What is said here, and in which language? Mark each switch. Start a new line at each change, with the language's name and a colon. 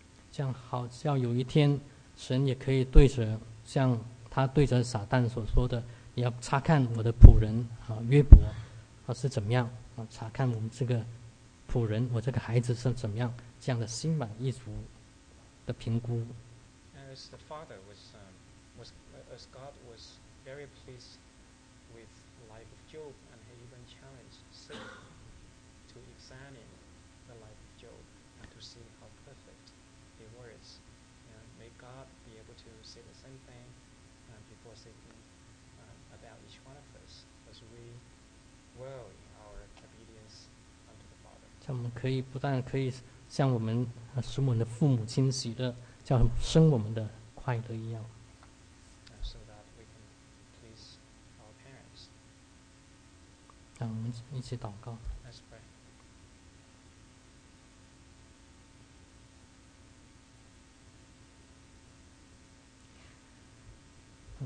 Chinese: 这样好像有一天，神也可以对着像他对着撒旦所说的，你要查看我的仆人啊约伯，他是怎么样啊查看我们这个。仆人，我这个孩子是怎么样？这样的心满意足的评估。
English: As the father was as God was very pleased with the life of Job, and he even challenged Satan to examine the life of Job and to see how perfect he was. And may God be able to say the same thing before Satan about each one of us as we grow in our obedience.
Chinese: 我们可以不但可以向我们使我们的父母亲喜乐，叫生我们的快乐一样。
English: So that we can please our parents.
Chinese: 让我们一起祷告。
English: Let's pray.